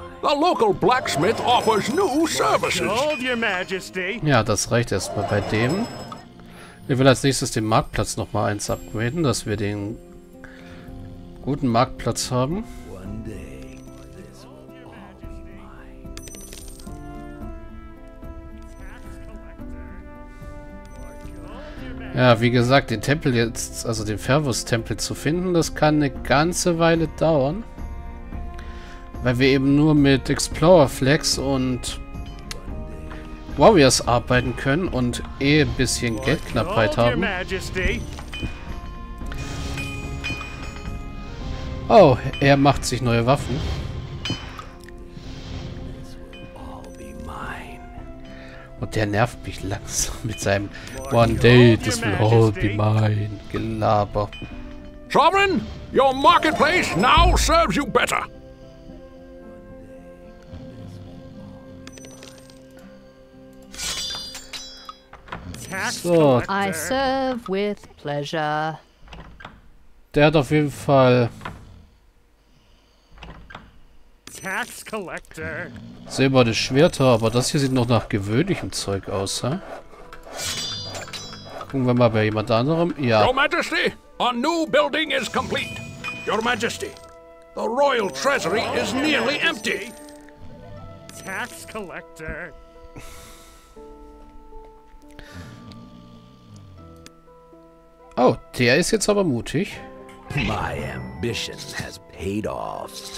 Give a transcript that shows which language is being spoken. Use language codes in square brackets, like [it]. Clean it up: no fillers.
[en] The local blacksmith offers new services. [de] Ja, das reicht erstmal bei dem. Wir will als nächstes den Marktplatz nochmal eins upgraden, dass wir den guten Marktplatz haben. Ja, wie gesagt, den Tempel jetzt, also den Fervus-Tempel zu finden, das kann eine ganze Weile dauern. Weil wir eben nur mit Explorer Flex und Warriors arbeiten können und eh ein bisschen Geldknappheit haben. Oh, er macht sich neue Waffen. Und der nervt mich langsam mit seinem [en] One day, this will all be mine. [de] Gelaber. [en] Sovereign, your marketplace now serves you better. [de] So. [en] I serve with pleasure. [de] Der hat auf jeden Fall [en] Tax Collector. [de] Silberne Schwerter, aber das hier sieht noch nach gewöhnlichem Zeug aus, hä? Gucken wir mal bei jemand anderem. Ja. [en] Your Majesty, a new building is complete. Your Majesty, the Royal Treasury is nearly empty. Tax Collector. [de] Oh, der ist jetzt aber mutig. [en] My ambition has paid off.